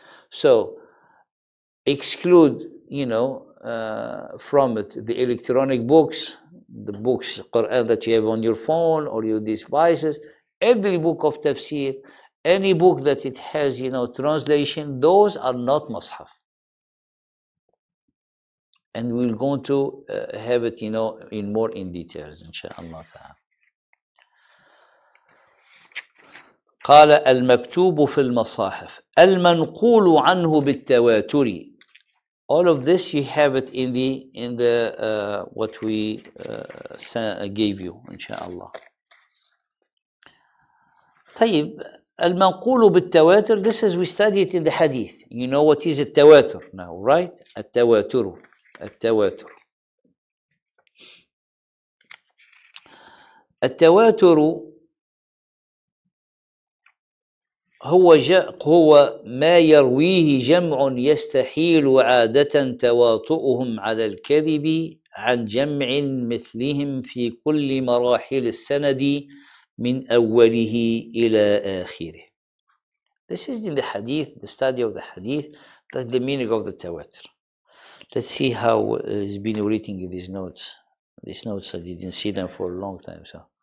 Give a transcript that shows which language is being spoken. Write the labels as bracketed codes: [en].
[en] So exclude, you know, from it the electronic books, the books Quran that you have on your phone or your devices, every book of tafsir, any book that it has, you know, translation, those are not Mus'haf. And we're going to have it, you know, in more in details, inshallah ta'ala. [ar] قال المكتوب في المصاحف المنقول عنه بالتواتر. [en] All of this you have it in the what we gave you, inshallah. [ar] طيب المنقول بالتواتر, [en] this is we study it in the hadith. You know what is التواتر now, right? [ar] التواتر. التواتر هو ما يرويه جمع يستحيل عادة تواطؤهم على الكذب عن جمع مثلهم في كل مراحل السند من أوله إلى آخره. [en] This is in the hadith, the study of the hadith, that's the meaning of the tawatur. Let's see how it's been reading these notes. These notes, I didn't see them for a long time, so.